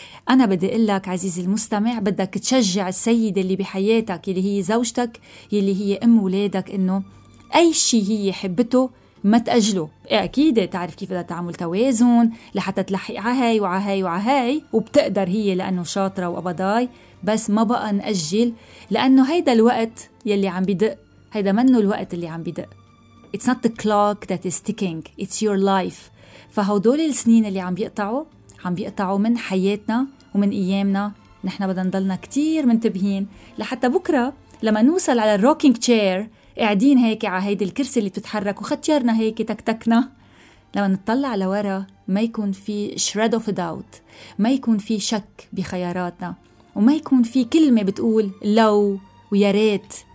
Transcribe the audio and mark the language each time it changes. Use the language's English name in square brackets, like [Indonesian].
[Arabic] أنا بدي أقول لك عزيزي المستمع، بدك تشجع السيدة اللي بحياتك اللي هي زوجتك اللي هي أم ولادك إنه أي شيء هي حبته ما تأجله. أكيد تعرف كيف بدها تعمل توازن لحتى تلحق عهاي وعهاي وعهاي، وبتقدر هي لأنه شاطرة وأبداي، بس ما بقى نأجل لأنه هيدا الوقت يلي عم بيدق، هيدا منه الوقت اللي عم بيدق. [English] It's not the clock that is ticking, it's your life. [Arabic] فهودول السنين اللي عم بيقطعوا عم بيقطعوا من حياتنا ومن أيامنا. نحنا بدنا نضلنا كتير منتبهين لحتى بكرة لما نوصل على الروكينج تشير قاعدين هيك على هيدي الكرسي اللي بتتحرك وختيارنا هيك تكتكنا, لما نطلع لورا ما يكون في [English] shred of doubt, [Arabic] ما يكون في شك بخياراتنا, وما يكون في كلمة بتقول لو وياريت.